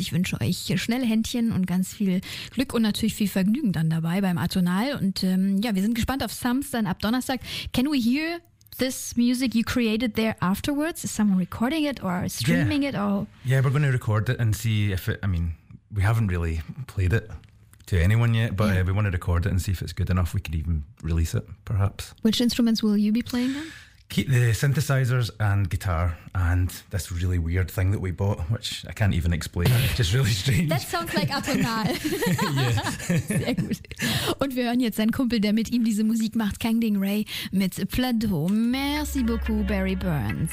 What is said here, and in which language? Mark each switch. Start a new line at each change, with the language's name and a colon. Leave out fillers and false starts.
German: Ich wünsche euch schnelle Händchen und ganz viel Glück und natürlich viel Vergnügen dann dabei beim Atonal. Und wir sind gespannt auf Sums dann ab Donnerstag.
English: Can we hear this music you created there afterwards? Is someone recording it or streaming it? Or? Yeah, we're going to record it and see if it, I mean, we haven't really played it to anyone yet, but we want to record it and see if it's good enough. We could even release it, perhaps. Which instruments will you be playing then? Keep the synthesizers and guitar and this really weird thing that we bought, which I can't even explain. It's just really strange. That sounds like Atonal.
German: Sehr gut. Und wir hören jetzt seinen Kumpel, der mit ihm diese Musik macht, Kangding Ray mit Plateau.
French: Merci beaucoup,
German: Barry Burns.